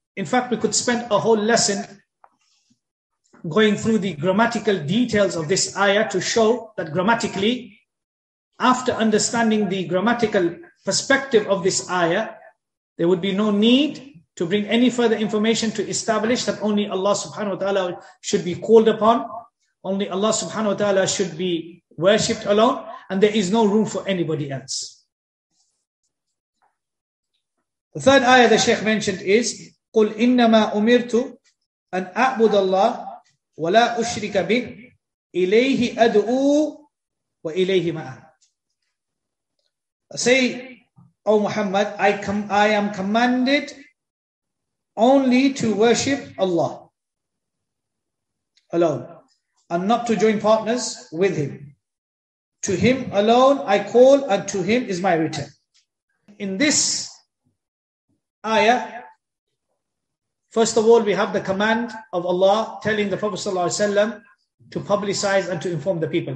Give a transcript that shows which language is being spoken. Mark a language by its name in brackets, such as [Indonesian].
[English] In fact, we could spend a whole lesson going through the grammatical details of this ayah to show that grammatically, after understanding the grammatical perspective of this ayah, there would be no need to bring any further information to establish that only Allah subhanahu wa ta'ala should be called upon, only Allah subhanahu wa ta'ala should be worshipped alone, and there is no room for anybody else. The third ayah the Shaykh mentioned is, [Arabic] قُلْ إِنَّمَا أُمِرْتُ أَنْ أَعْبُدَ اللَّهِ وَلَا أُشْرِكَ بِهِ إِلَيْهِ أَدْعُوا وَإِلَيْهِ مَأَنَ. [English] Say, O Muhammad, I am commanded only to worship Allah alone and not to join partners with Him. To Him alone I call, and to Him is my return. In this ayah, first of all, we have the command of Allah telling the Prophet sallallahu alaihi wasallam to publicize and to inform the people.